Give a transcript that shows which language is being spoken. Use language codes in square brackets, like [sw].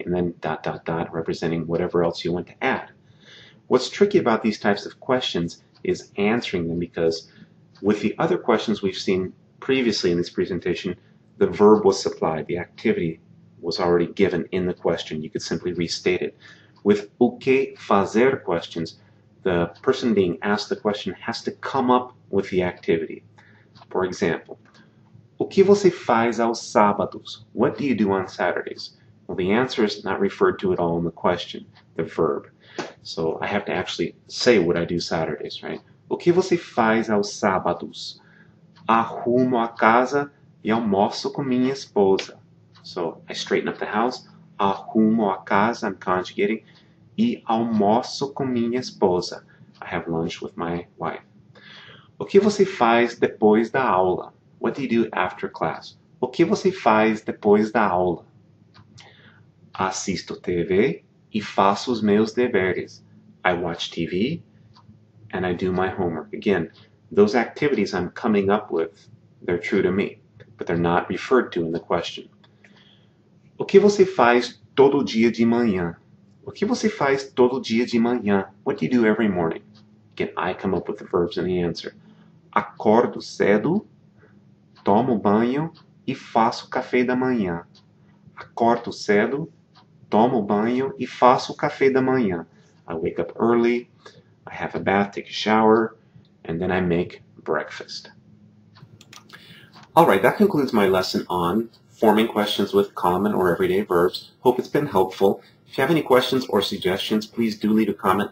[en] And then dot, dot, dot, representing whatever else you want to add. What's tricky about these types of questions is answering them, because with the other questions we've seen previously in this presentation, the verb was supplied, the activity was already given in the question. You could simply restate it. With o que fazer questions, the person being asked the question has to come up with the activity. For example, [pt] o que você faz aos sábados? [en] What do you do on Saturdays? Well, the answer is not referred to at all in the question, the verb. So I have to actually say what I do Saturdays, right? [pt] O que você faz aos sábados? Arrumo a casa e almoço com minha esposa. [en] So, I straighten up the house, [pt] arrumo a casa, [en] I'm conjugating, [pt] e almoço com minha esposa, [en] I have lunch with my wife. [pt] O que você faz depois da aula? [en] What do you do after class? [pt] O que você faz depois da aula? Assisto TV e faço os meus deveres. [en] I watch TV and I do my homework. Again, those activities I'm coming up with, they're true to me, but they're not referred to in the question. [pt] O que você faz todo dia de manhã? O que você faz todo dia de manhã? [en] What do you do every morning? Again, I come up with the verbs and the answer. [pt] Acordo cedo, tomo banho e faço café da manhã. Acordo cedo, tomo banho e faço café da manhã. [en] I wake up early, I have a bath, take a shower, and then I make breakfast. All right, that concludes my lesson on forming questions with common or everyday verbs. Hope it's been helpful. If you have any questions or suggestions, please do leave a comment.